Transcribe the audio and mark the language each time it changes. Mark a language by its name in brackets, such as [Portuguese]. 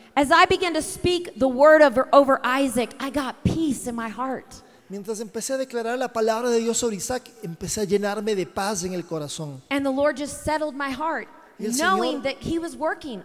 [English] As I began to speak the word over Isaac, I got peace in my heart. [Spanish] Mientras empecé a declarar la palabra de Dios sobre Isaac, empecé a llenarme de paz en el corazón. [English] And the Lord just settled my heart. Knowing that he was working